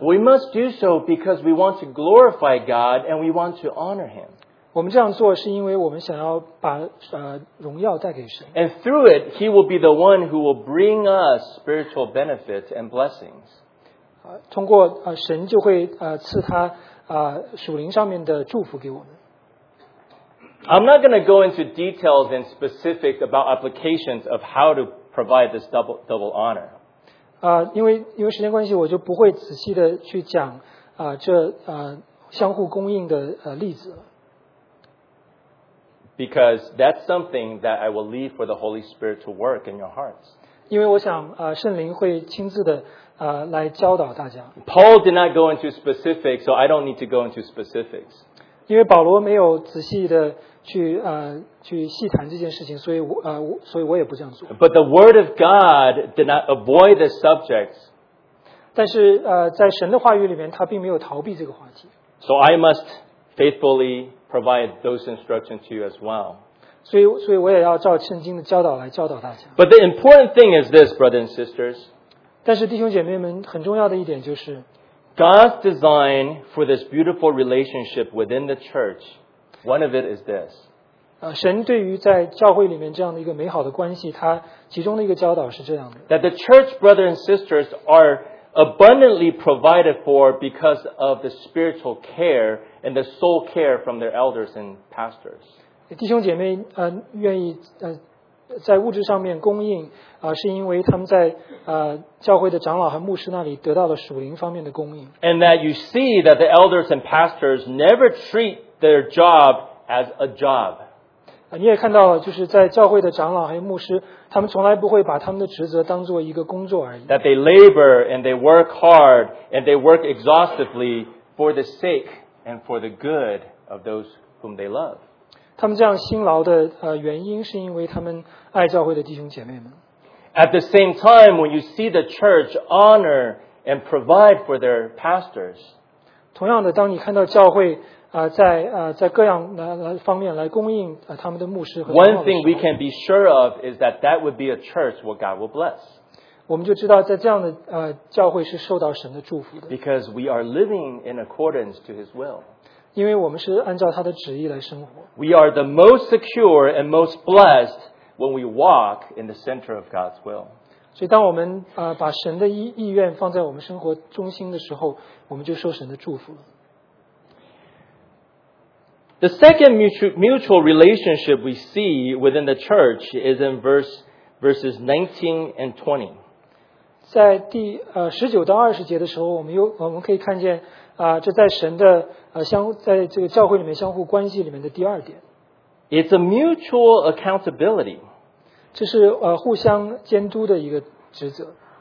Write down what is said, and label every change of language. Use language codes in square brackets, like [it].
[en] We must do so because we want to glorify God and we want to honor Him. [zh] 我们这样做是因为我们想要把荣耀带给神。 [en] And through it, He will be the one who will bring us spiritual benefits and blessings. [zh] 通过神就会赐他属灵上面的祝福给我们。 [en] I'm not going to go into details and specifics about applications of how to provide this double honor. [zh] 因为时间关系我就不会仔细的去讲这相互供应的例子了。 [en] Because that's something that I will leave for the Holy Spirit to work in your hearts. [zh] 因为我想圣灵会亲自的来教导大家。 [en] Paul did not go into specifics, so I don't need to go into specifics. [zh] 因为保罗没有仔细的去细谈这件事情，所以我也不这样做。 [en] But the Word of God did not avoid the subjects. [zh] 但是在神的话语里面，他并没有逃避这个话题。 [en] So I must faithfully provide those instructions to you as well. [zh] 所以我也要照圣经的教导来教导大家。 [en] But the important thing is this, brothers and sisters. [zh] 但是弟兄姐妹们，很重要的一点就是 [en] God's design for this beautiful relationship within the church, one of it is this. [zh] 神对于在教会里面这样的一个美好的关系，他其中的一个教导是这样的。 [en] That the church brothers and sisters are abundantly provided for because of the spiritual care and the soul care from their elders and pastors. [zh] 弟兄姐妹愿意在物质上面供应是因为他们在教会的长老和牧师那里得到了属灵方面的供应。 [en] And that you see that the elders and pastors never treat their job as a job. [zh] 你也看到了，就是在教会的长老和牧师，他们从来不会把他们的职责当做一个工作而已。 [en] That they labor and they work hard and they work exhaustively for the sake and for the good of those whom they love. [zh] 他们这样辛劳的原因是因为他们爱教会的弟兄姐妹们。 [en] At the same time, when you see the church honor and provide for their pastors, [zh] 同样的，当你看到教会在各样方面来供应他们的牧师和长老的时候， [en] One thing we can be sure of is that that would be a church what God will bless. [zh] 我们就知道在这样的教会是受到神的祝福的。 [en] Because we are living in accordance to His will. [zh] 因为我们是按照他的旨意来生活。 [en] We are the most secure and most blessed when we walk in the center of God's will. [zh] 所以当我们把神的意愿放在我们生活中心的时候，我们就受神的祝福了。 [en] The second mutual relationship we see within the church is in verses 19 and 20. [zh] 在第19到20节的时候，我们可以看见这在神的在这个教会里面相互关系里面的第二点。 [en] It's a mutual accountability. [zh] 这是互相监督的一个职责。